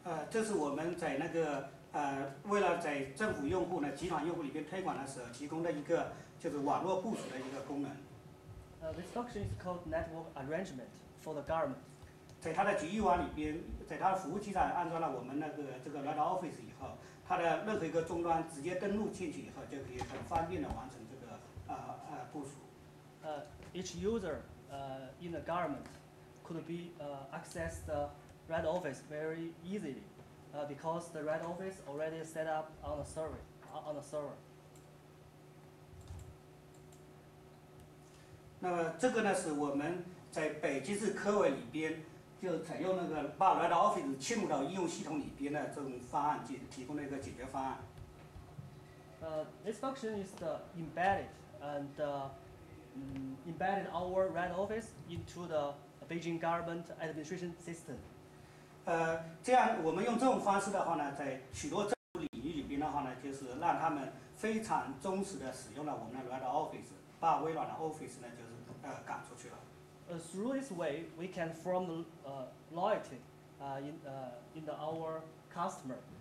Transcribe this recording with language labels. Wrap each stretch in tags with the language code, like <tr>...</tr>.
<zh>这是我们在那个为了在政府用户呢集团用户里边推广的时候提供的一个就是网络部署的一个功能。</zh> <en>This function is called network arrangement for the government.</en> <zh>在它的局域网里边，在它的服务器上安装了我们那个这个 Red Office 以后，它的任何一个终端直接登录进去以后，就可以很方便的完成这个部署。</zh> <en>Each user in the government could be accessed Red Office very easily, because the Red Office already set up on a server. On a server.</en> <zh>那这个呢是我们在北京市科委里边就采用那个把 Red Office 嵌入到应用系统里边的这种方案，就提供了一个解决方案。</zh> <en>This function is the embedded our Red Office into the Beijing government administration system.</en> <zh>这样我们用这种方式的话呢，在许多政府领域里边的话呢，就是让他们非常忠实的使用了我们的 Red Office， 把微软的 Office 呢，就是赶出去了。</zh> <en>Through this way, we can form the loyalty in the our customer.</en>